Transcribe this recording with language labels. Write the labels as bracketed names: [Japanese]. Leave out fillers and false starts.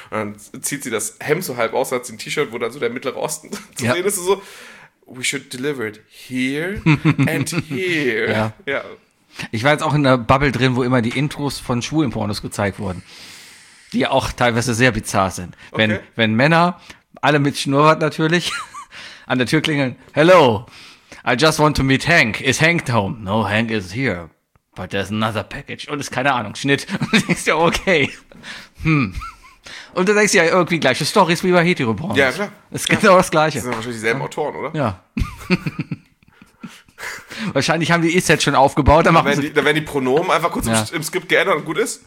[German] Und dann zieht sie das Hemd so halb aus, hat sie ein T-Shirt, wo dann so der Mittlere Osten zu sehen ist. [English] So, we should deliver it here and here. [German] Ja. Ich war jetzt auch in der Bubble drin, wo immer die Intros von schwulen Pornos gezeigt wurden, die auch teilweise sehr bizarr sind. Wenn, okay. wenn Männer, alle mit Schnurrbart natürlich, an der Tür klingeln, [English] hello, I just want to meet Hank, is Hank home? No, Hank is here, but there's another package. [German] Und ist keine Ahnung, Schnitt. Und du denkst ja, okay. Und dann denkst du ja, irgendwie gleiche Stories wie bei Hetero-Pornos. Ja, klar. Es gibt auch das Gleiche. Das sind wahrscheinlich dieselben Autoren, oder? Ja. Wahrscheinlich haben die E-Set schon aufgebaut. Da werden, werden die Pronomen einfach kurz im Skript geändert und gut ist.